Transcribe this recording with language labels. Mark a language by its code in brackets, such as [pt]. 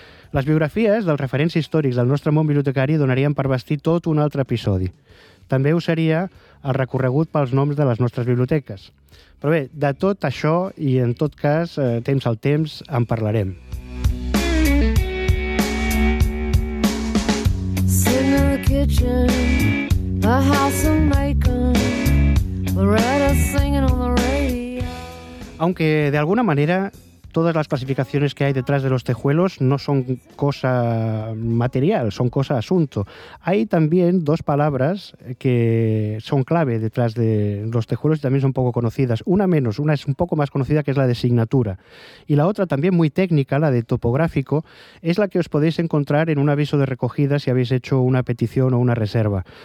[ca] Les biografies dels referents històrics del nostre món bibliotecari donarien per bastir tot un altre episodi. També ho seria el recorregut pels noms de les nostres biblioteques. Però bé, de tot això, i en tot cas, temps al temps, en parlarem. [en] Sitting in the kitchen, the house of Macon, Loretta singing on the radio. [es] Aunque de alguna manera todas las clasificaciones que hay detrás de los tejuelos no son cosa material, son cosa asunto. Hay también dos palabras que son clave detrás de los tejuelos y también son poco conocidas. Una menos, una es un poco más conocida, que es la de signatura. Y la otra también muy técnica, la de topográfico, es la que os podéis encontrar en un aviso de recogida si habéis hecho una petición o una reserva.